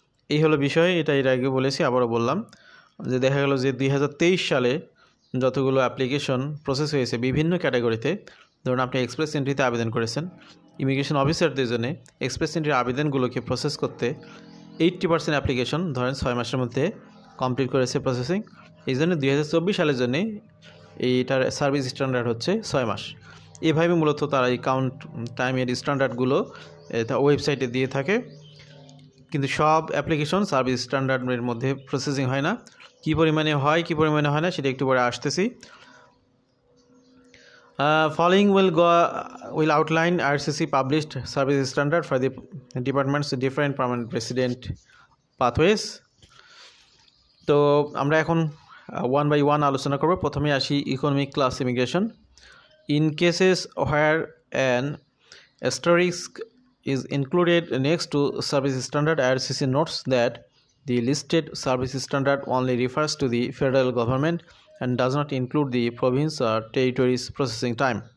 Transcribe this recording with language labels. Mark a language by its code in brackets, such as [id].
[bn] এই হলো বিষয়, এটা এর আগে বলেছি, আবারও বললাম যে দেখা গেলো যে 2023 সালে যতগুলো অ্যাপ্লিকেশন প্রসেস হয়েছে বিভিন্ন ক্যাটাগরিতে, ধরুন আপনি এক্সপ্রেস এন্ট্রিতে আবেদন করেছেন, ইমিগ্রেশন অফিসারদের জন্যে এক্সপ্রেস এন্ট্রির আবেদনগুলোকে প্রসেস করতে 80% অ্যাপ্লিকেশন ধরেন 6 মাসের মধ্যে কমপ্লিট করেছে প্রসেসিং, এই জন্য 2024 সালের জন্যে এইটার সার্ভিস স্ট্যান্ডার্ড হচ্ছে 6 মাস। এভাবে মূলত তারা এই কাউন্ট টাইমের স্ট্যান্ডার্ডগুলো ওয়েবসাইটে দিয়ে থাকে, কিন্তু সব অ্যাপ্লিকেশন সার্ভিস স্ট্যান্ডার্ডের মধ্যে প্রসেসিং হয় না। কী পরিমাণে হয় না সেটা একটু পরে আসতেছি। [en] Following will outline IRCC published service standard for the department's different permanent resident pathways. [bn] তো আমরা এখন ওয়ান বাই ওয়ান আলোচনা করবো। প্রথমে আসি economic class immigration. [en] In cases where an asterisk is included next to service standard, IRCC notes that the listed service standard only refers to the federal government and does not include the province or territories processing time.